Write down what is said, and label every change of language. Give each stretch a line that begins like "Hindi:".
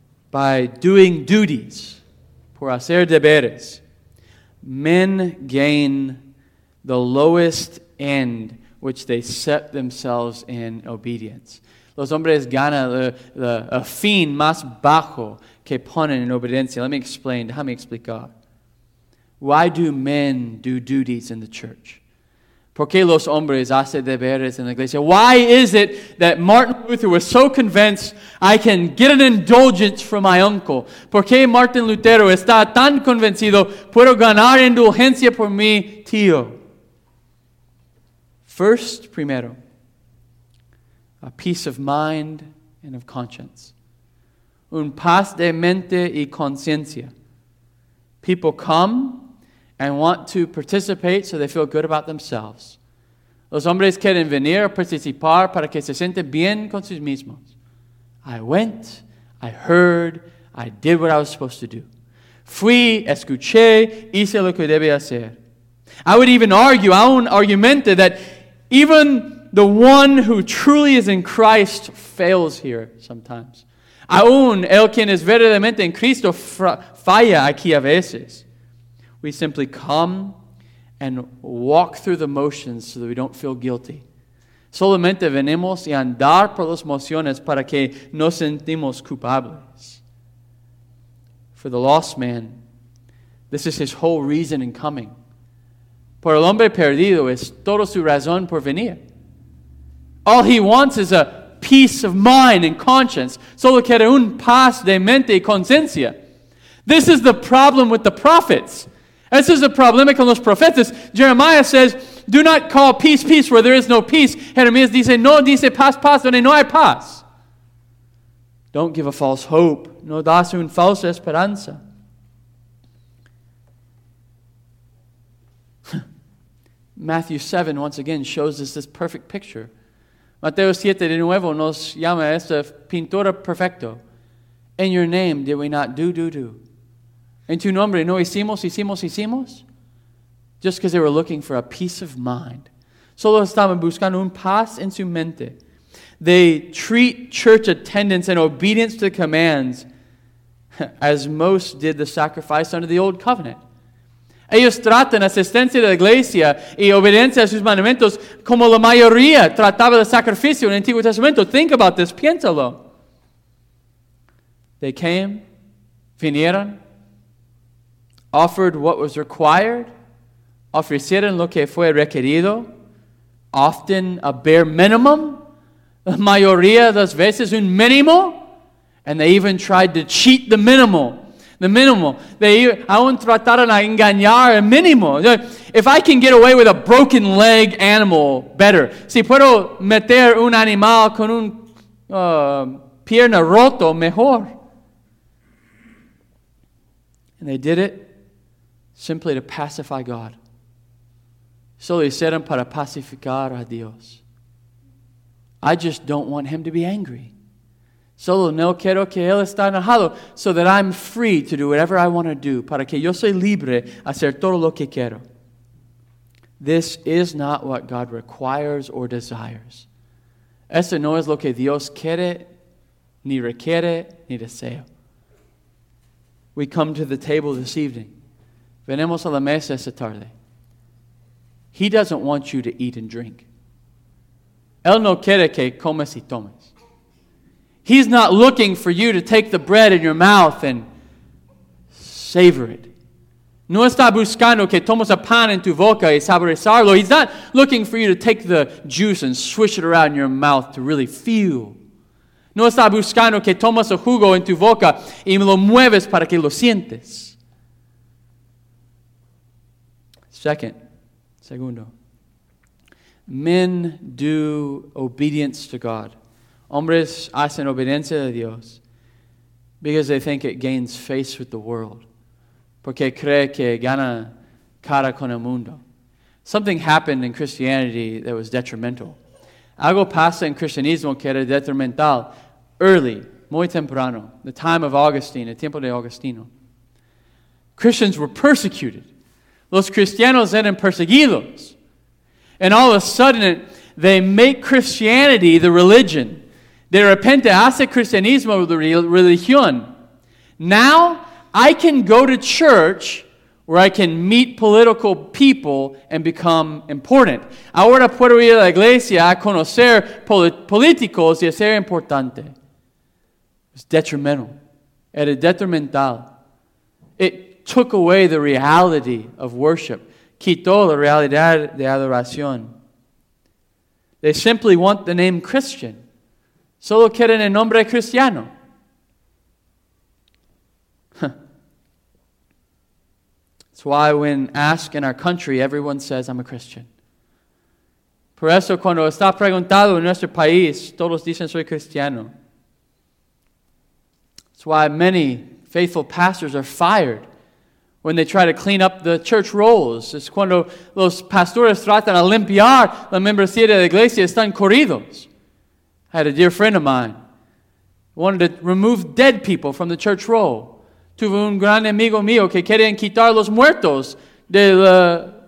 English: By doing duties,
Spanish: por hacer deberes,
English: men gain the lowest end which they set themselves in obedience.
Spanish: Los hombres ganan el fin más bajo que ponen en obediencia.
English: Let me explain.
Spanish: Déjame explicar.
English: Why do men do duties in the church?
Spanish: ¿Por qué los hombres hacen deberes en la iglesia?
English: Why is it that Martin Luther was so convinced I can get an indulgence from my uncle?
Spanish: ¿Por qué Martin Lutero está tan convencido puedo ganar indulgencia por mi tío?
English: First,
Spanish: primero,
English: a peace of mind and of conscience.
Spanish: Un paz de mente y conciencia.
English: People come and want to participate so they feel good about themselves.
Spanish: Los hombres quieren venir a participar para que se sienten bien con sus mismos.
English: I went, I heard, I did what I was supposed to do.
Spanish: Fui, escuché, hice lo que debía hacer.
English: I would even argue, I would argument that even the one who truly is in Christ fails here sometimes.
Spanish: Aún el quien es verdaderamente en Cristo falla aquí a veces.
English: We simply come and walk through the motions so that we don't feel guilty.
Spanish: Solamente venimos y andar por las emociones para que no sentimos culpables.
English: For the lost man, this is his whole reason in coming.
Spanish: Por el hombre perdido es toda su razón por venir.
English: All he wants is a peace of mind and conscience.
Spanish: Solo quiere un paz de mente y conciencia.
English: This is the problem with the prophets. This is the problem
Spanish: con los profetas.
English: Jeremiah says, do not call peace, peace, where there is no peace.
Spanish: Jeremías dice, no, dice paz, paz, donde no hay paz.
English: Don't give a false hope.
Spanish: No das una falsa esperanza.
English: Matthew 7, once again, shows us this perfect picture.
Spanish: Mateo 7, de nuevo, nos llama esta pintura perfecta.
English: In your name did we not do, do, do.
Spanish: En tu nombre no hicimos, hicimos, hicimos.
English: Just because they were looking for a peace of mind.
Spanish: Solo estaban buscando un paz en su mente.
English: They treat church attendance and obedience to the commands as most did the sacrifice under the old covenant.
Spanish: Ellos tratan asistencia de la iglesia y obediencia a sus mandamientos como la mayoría trataba el sacrificio en el Antiguo Testamento.
English: Think about this,
Spanish: piénsalo.
English: They came,
Spanish: vinieron,
English: offered what was required,
Spanish: ofrecieron lo que fue requerido,
English: often a bare minimum,
Spanish: la mayoría de las veces un mínimo,
English: and they even tried to cheat the minimal. The minimal. They
Spanish: aún trataron a engañar el mínimo.
English: If I can get away with a broken leg animal, better.
Spanish: Si puedo meter un animal con un pierna roto, mejor.
English: And they did it simply to pacify God.
Spanish: Solo hicieron para pacificar a Dios.
English: I just don't want him to be angry.
Spanish: Solo no quiero que él esté enojado
English: so that I'm free to do whatever I want to do.
Spanish: Para que yo soy libre hacer todo lo que quiero.
English: This is not what God requires or desires.
Spanish: Eso no es lo que Dios quiere, ni requiere, ni desea.
English: We come to the table this evening.
Spanish: Venimos a la mesa esta tarde.
English: He doesn't want you to eat and drink.
Spanish: Él no quiere que comas y tomes.
English: He's not looking for you to take the bread in your mouth and savor it.
Spanish: No está buscando que tomes el pan en tu boca y saborizarlo.
English: He's not looking for you to take the juice and swish it around in your mouth to really feel.
Spanish: No está buscando que tomes el jugo en tu boca y lo mueves para que lo sientes. Segundo,
English: men do obedience to God.
Spanish: Hombres hacen obediencia a Dios
English: because they think it gains face with the world.
Spanish: Porque cree que gana cara con el mundo.
English: Something happened in Christianity that was detrimental.
Spanish: Algo pasa en cristianismo que era detrimental.
English: Early,
Spanish: muy temprano,
English: the time of Augustine,
Spanish: el tiempo de Agustino.
English: Christians were persecuted.
Spanish: Los cristianos eran perseguidos.
English: And all of a sudden, they make Christianity the religion.
Spanish: De repente, hace cristianismo
English: the
Spanish: religión.
English: Now, I can go to church where I can meet political people and become important.
Spanish: Ahora puedo ir a la iglesia a conocer políticos y a ser importante.
English: It's detrimental.
Spanish: Era detrimental.
English: It took away the reality of worship.
Spanish: Quitó la realidad de adoración.
English: They simply want the name Christian.
Spanish: Solo quieren el nombre cristiano.
English: That's why when asked in our country, everyone says, I'm a Christian.
Spanish: Por eso cuando está preguntado en nuestro país, todos dicen, soy cristiano.
English: That's why many faithful pastors are fired when they try to clean up the church rolls.
Spanish: Es cuando los pastores tratan de limpiar la membresía de la iglesia, están corridos.
English: I had a dear friend of mine who wanted to remove dead people from the church roll.
Spanish: Tuve un gran amigo mío que querían quitar los muertos de la